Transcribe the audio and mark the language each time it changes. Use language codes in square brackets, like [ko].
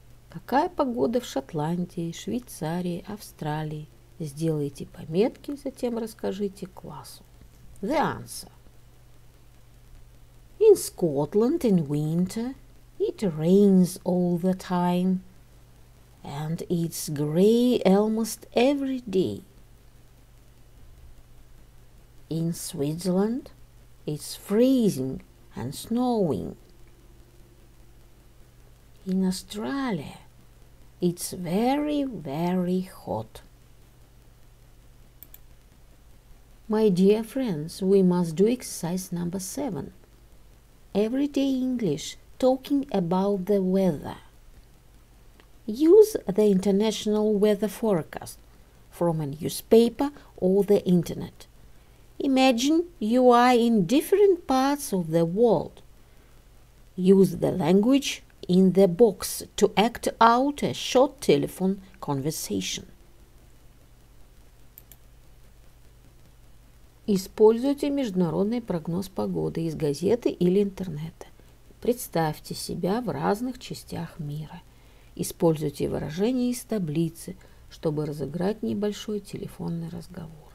[ru] Какая погода в Шотландии, Швейцарии, Австралии? Сделайте пометки, затем расскажите классу. [en] The answer. In Scotland in winter, it rains all the time, and it's grey almost every day. In Switzerland, it's freezing and snowing. In Australia, it's very, very hot. My dear friends, we must do exercise number 7. Everyday English. Talking about the weather. Use the international weather forecast from a newspaper or the internet. Imagine you are in different parts of the world. Use the language in the box to act out a short telephone conversation. [ru] Используйте международный прогноз погоды из газеты или интернета. Представьте себя в разных частях мира. Используйте выражения из таблицы, чтобы разыграть небольшой телефонный разговор.